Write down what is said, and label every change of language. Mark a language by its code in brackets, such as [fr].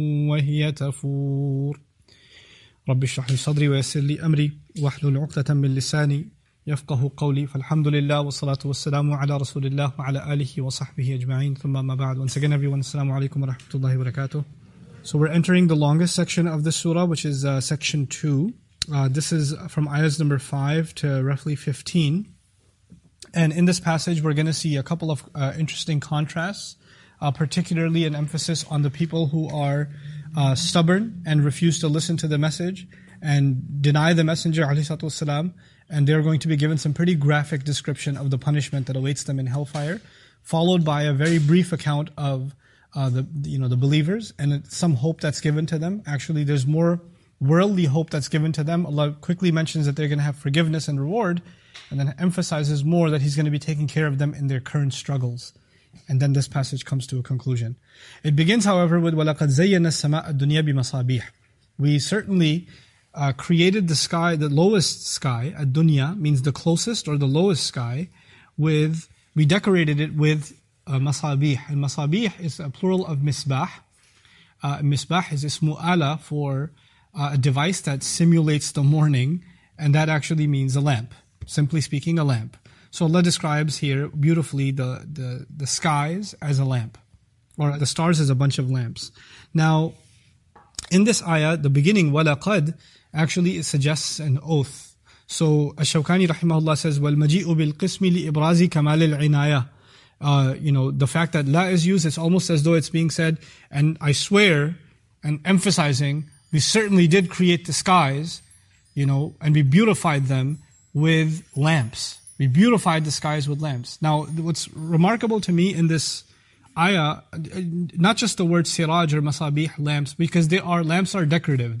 [ar] وهي تفور رب اشرح لي صدري ويسر لي أمري واحلل عقدة من لساني يفقه قولي فالحمد لله والصلاة والسلام على رسول الله وعلى آله وصحبه أجمعين ثم ما بعد [en] Once again everyone, [ar] السلام عليكم ورحمة الله وبركاته. [en] So we're entering the longest section of the surah, which is section 2. This is from ayahs number 5 to roughly 15. And in this passage, we're going to see a couple of interesting contrasts, particularly an emphasis on the people who are stubborn and refuse to listen to the message and deny the messenger, alayhi salatu wasalam, and they're going to be given some pretty graphic description of the punishment that awaits them in hellfire, followed by a very brief account of the believers, and some hope that's given to them. Actually, there's more worldly hope that's given to them. Allah quickly mentions that they're going to have forgiveness and reward, and then emphasizes more that He's going to be taking care of them in their current struggles. And then this passage comes to a conclusion. It begins, however, with [ar] وَلَقَدْ زَيَّنَا السَّمَاءَ الدُّنْيَا بِمَصَابِيحِ. [en] We certainly created the sky, the lowest sky, الدُّنْيَا means the closest or the lowest sky, we decorated it with مصابيح. And مصابيح is a plural of مصباح. مصباح is اسمه آلة for a device that simulates the morning, and that actually means a lamp. Simply speaking, a lamp. So Allah describes here beautifully the skies as a lamp, or the stars as a bunch of lamps. Now, in this ayah, the beginning, وَلَقَدْ, actually it suggests an oath. [ar] So الشوكاني رحمه الله says, وَالْمَجِئُ بِالْقِسْمِ لِإِبْرَازِ كَمَالِ الْعِنَايَةِ. [en] The fact that la is used, it's almost as though it's being said, and I swear, and emphasizing, we certainly did create the skies, you know, and we beautified them with lamps. We beautified the skies with lamps. Now, what's remarkable to me in this ayah, not just the word siraj or masabih, lamps, because lamps are decorative.